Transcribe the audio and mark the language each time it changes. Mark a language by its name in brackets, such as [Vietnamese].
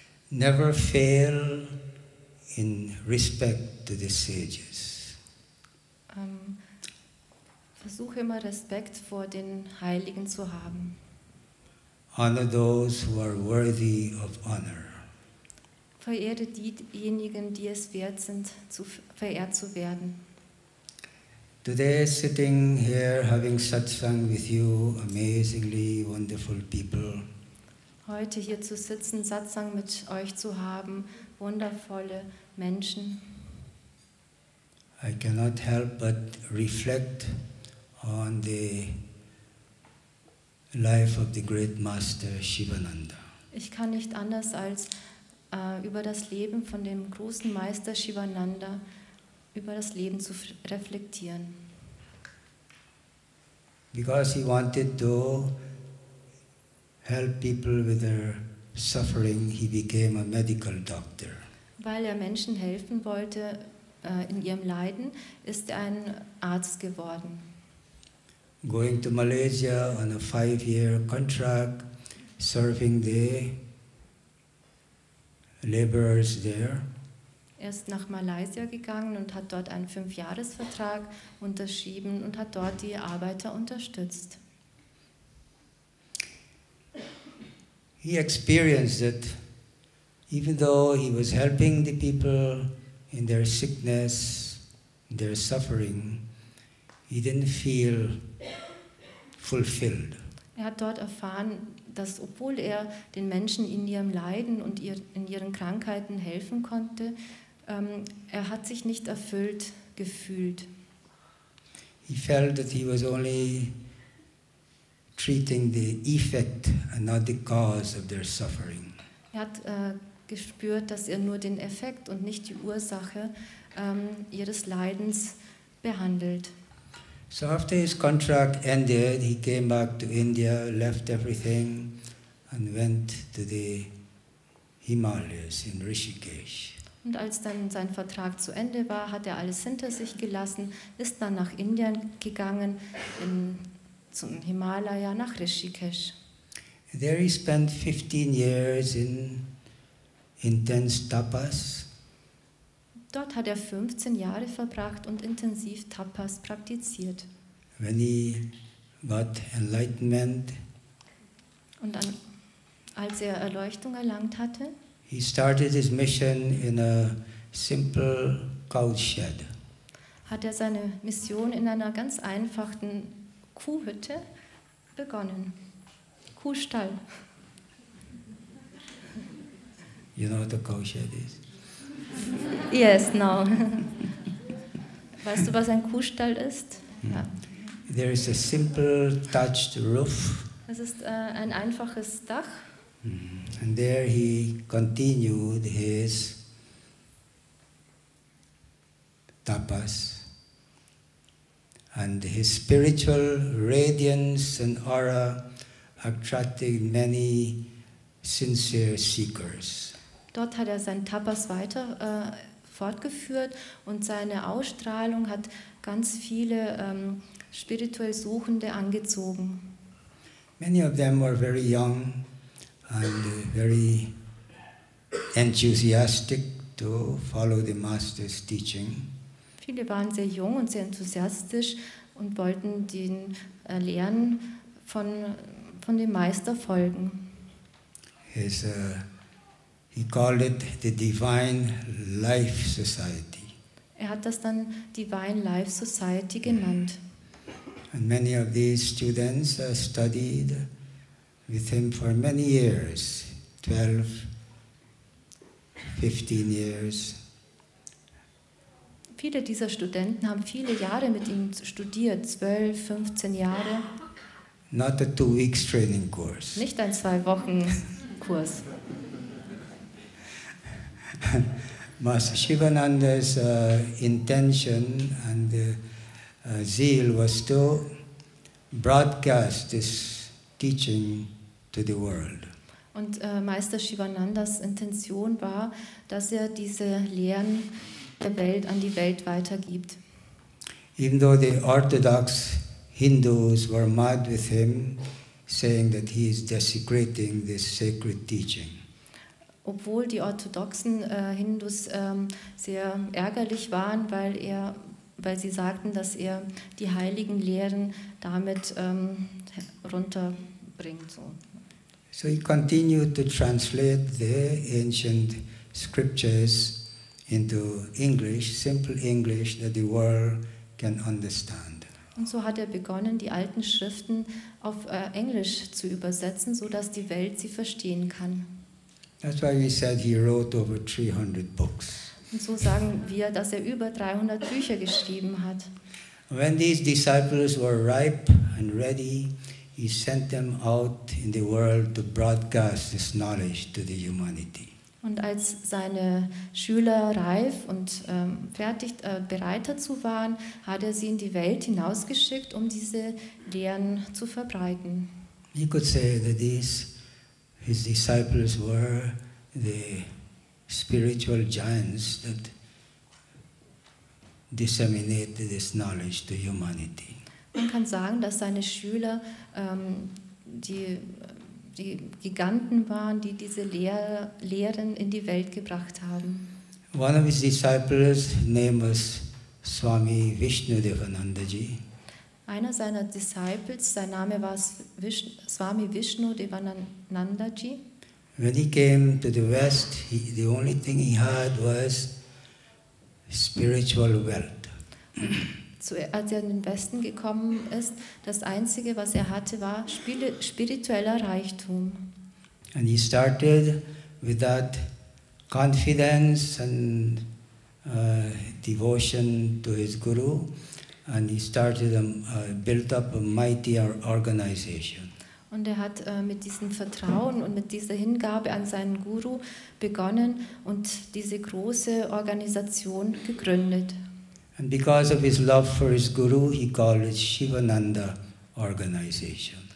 [English] never fail in respect to the sages. [German] Versuche immer Respekt vor den Heiligen zu haben. [English] Honor those who are worthy of honor. [German] Verehre diejenigen, die es wert sind, verehrt zu werden. [English] Today sitting here having satsang with you, amazingly wonderful people. [German] Heute hier zu sitzen, Satsang mit euch zu haben, wundervolle Menschen. [English] I cannot help but reflect on the life of the great master Shivananda. [German] Ich kann nicht anders als über das Leben von dem großen Meister Shivananda, über das Leben zu reflektieren. [English] Because he wanted to help people with their suffering, he became a medical doctor. [German] Weil er Menschen helfen wollte in ihrem Leiden, ist er ein Arzt geworden. [English] Going to Malaysia on a 5-year contract, serving the laborers there. [German] Er ist nach Malaysia gegangen und hat dort einen 5-Jahres-Vertrag unterschrieben und hat dort die Arbeiter unterstützt. [English] He experienced that even though he was helping the people in their sickness, their suffering, he didn't feel fulfilled. [German] Er hat dort erfahren, dass obwohl er den Menschen in ihrem Leiden und in ihren Krankheiten helfen konnte, er hat sich nicht erfüllt gefühlt. [English] He felt that he was only treating the effect and not the cause of their suffering. [German] Er hat gespürt, dass er nur den Effekt und nicht die Ursache ihres Leidens behandelt. [English] So after his contract ended, he came back to India, left everything, and went to the Himalayas in Rishikesh. [German] Und als dann sein Vertrag zu Ende war, hat er alles hinter sich gelassen, ist dann nach Indien gegangen, zum Himalaya, nach Rishikesh. [English] There he spent 15 years in intense tapas. [German] Dort hat er 15 Jahre verbracht und intensiv Tapas praktiziert. [English] When he got enlightenment, [German] und dann, als er Erleuchtung erlangt hatte, [English] he started his mission in a simple cow shed. [German] Hat er seine Mission in einer ganz einfachen Kuhhütte begonnen. Kuhstall. [English] You know what a cow shed is? Yes, no. [German] Weißt du, was ein Kuhstall ist? Ja. [English] There is a simple thatched roof. [German] Es ist ein einfaches Dach. [English] And there he continued his tapas. And his spiritual radiance and aura attracted many sincere seekers. [German] Dort hat er sein Tapas weiter fortgeführt und seine Ausstrahlung hat ganz viele spirituell Suchende angezogen. [English] Many of them were very young and very enthusiastic to follow the master's teaching. [German] Viele waren sehr jung und sehr enthusiastisch und wollten den Lehren von dem Meister folgen. [English] He called it the Divine Life Society. [German] Er hat das dann Divine Life Society genannt. [English] And many of these students studied with him for many years, 12, 15 years. [German] Viele dieser Studenten haben viele Jahre mit ihm studiert, 12, 15 Jahre. [English] Not a 2-week training course. [German] Nicht ein 2-Wochen Kurs. [English] Master Shivananda's intention and zeal was to broadcast this teaching to the world. [German] Und Meister Shivanandas Intention war, dass er diese Lehren der Welt an die Welt weitergibt. [English] Even though the orthodox Hindus were mad with him, saying that he is desecrating this sacred teaching. [German] obwohl die orthodoxen Hindus sehr ärgerlich waren, weil sie sagten, dass er die heiligen Lehren damit runterbringt. [English] So. So he continued to translate the ancient scriptures into English, simple English that the world can understand. [German] Und so hat er begonnen, die alten Schriften auf Englisch zu übersetzen, so dass die Welt sie verstehen kann. [English] That's why we said he wrote over 300 books. [German] Und so sagen wir, dass er über 300 Bücher geschrieben hat. [English] When these disciples were ripe and ready, he sent them out in the world to broadcast this knowledge to the humanity. [German] Und als seine Schüler reif und fertig bereit dazu waren, hat er sie in die Welt hinausgeschickt, um diese Lehren zu verbreiten. [English] You could say that these his disciples were the spiritual giants that disseminated this knowledge to humanity. [German] Man kann sagen, dass seine Schüler die Giganten waren, die diese Lehren in die Welt gebracht haben. [English] One of his disciples' name was Swami Vishnu Devanandaji. [German] Einer seiner Disciples, sein Name war Swami Vishnu Devanandaji. [English] When he came to the West, the only thing he had was spiritual wealth. [German] Als er in den Westen gekommen ist, das Einzige, was er hatte, war spiritueller Reichtum. [English] And he started with that confidence and devotion to his guru, and he started built up a mighty organization. [German] Und er hat mit diesem Vertrauen und mit dieser Hingabe an seinen Guru begonnen und diese große Organisation gegründet. [English] And because of his love for his guru, he called it Shivananda Organization.